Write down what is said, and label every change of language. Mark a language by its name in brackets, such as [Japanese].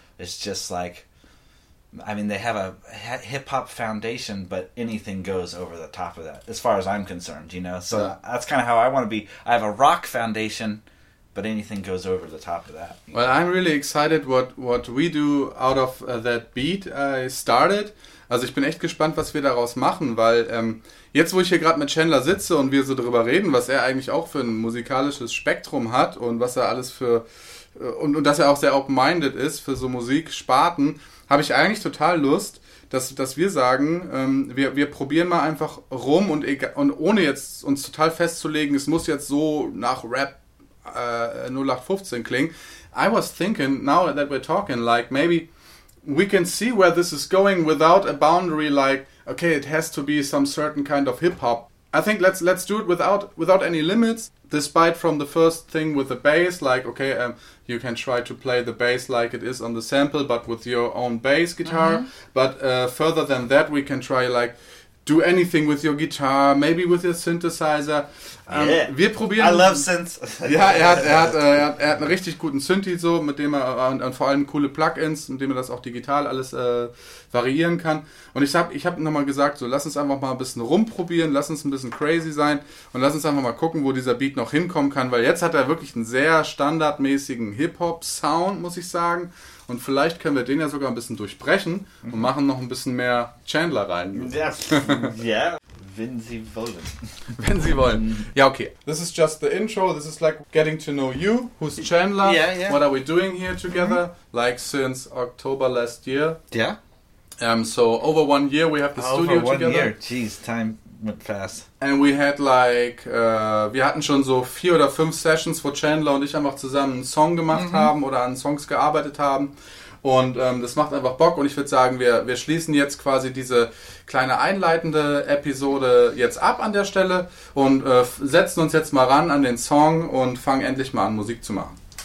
[English] It's just like, I mean, they have a hip-hop foundation, but anything goes over the top of that, as far as I'm concerned, you know? So that's kind of how I want to be. I have a rock foundation, but anything goes over the top of that. Well, I'm really excited what we do out of that beat I started. [German] Also ich bin echt gespannt, was wir daraus machen, weil jetzt, wo ich hier gerade mit Chandler sitze und wir so drüber reden, was er eigentlich auch für ein musikalisches Spektrum hat und was er alles für und dass er auch sehr open-minded ist für so Musiksparten, habe ich eigentlich total Lust, dass wir sagen, wir probieren mal einfach rum und ohne jetzt uns total festzulegen, es muss jetzt so nach Rap 0815 klingen. [English] I was thinking, now that we're talking, like maybe we can see where this is going without a boundary, like, okay, it has to be some certain kind of hip-hop. I think let's do it without any limits, despite from the first thing with the bass, like, okay, you can try to play the bass like it is on the sample, but with your own bass guitar. Mm-hmm. But further than that, we can try, like, do anything with your guitar, maybe with your synthesizer. Yeah, [German] wir probieren, [English] I love synths. [German] Ja, er hat einen richtig guten Synthi so, mit dem er und vor allem coole Plugins, mit dem er das auch digital alles variieren kann. Und ich hab nochmal gesagt, so lass uns einfach mal ein bisschen rumprobieren, lass uns ein bisschen crazy sein und lass uns einfach mal gucken, wo dieser Beat noch hinkommen kann, weil jetzt hat er wirklich einen sehr standardmäßigen Hip-Hop-Sound, muss ich sagen. Und vielleicht können wir den ja sogar ein bisschen durchbrechen und machen noch ein bisschen mehr Chandler rein. Ja, wenn sie wollen. Wenn sie wollen. Ja, okay. [English] This is just the intro. This is like getting to know you. Who's Chandler? Yeah, yeah. What are we doing here together? Mm-hmm. Like since October last year. Yeah. So over 1 year we have the studio together. Over 1 year. Jeez, time went fast. And we had like, [German] wir hatten schon so 4 oder 5 Sessions, wo Chandler und ich einfach zusammen einen Song gemacht mm-hmm. haben oder an Songs gearbeitet haben. Und das macht einfach Bock und ich würde sagen, wir schließen jetzt quasi diese kleine einleitende Episode jetzt ab an der Stelle und setzen uns jetzt mal ran an den Song und fangen endlich mal an, Musik zu machen.